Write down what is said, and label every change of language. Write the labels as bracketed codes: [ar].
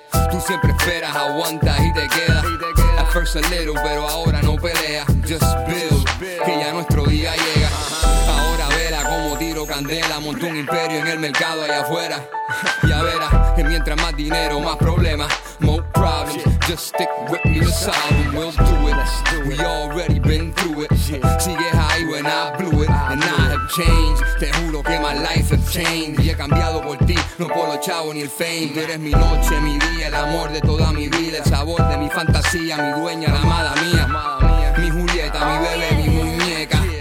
[es] Tú siempre esperas, aguantas y te quedas. [en] At first a little, [es] pero ahora no pelea. [en] Just build, [es] que ya nuestro día llega. Ahora verá como tiro candela. Monto un imperio en el mercado allá afuera. Ya verás que mientras más dinero, más problemas. [en] More problems, just stick with me, this album. We'll do it, we already been through it. [es] Sigues ahí [en] when I blew it. And I have changed, [es] te juro que [en] my life has changed. [es] Y he cambiado por ti, no por los chavos ni el fame. Tú eres mi noche, mi día, el amor de toda mi vida. El sabor de mi fantasía, mi dueña, la amada mía. Mi Julieta, mi bebé, mi muñeca.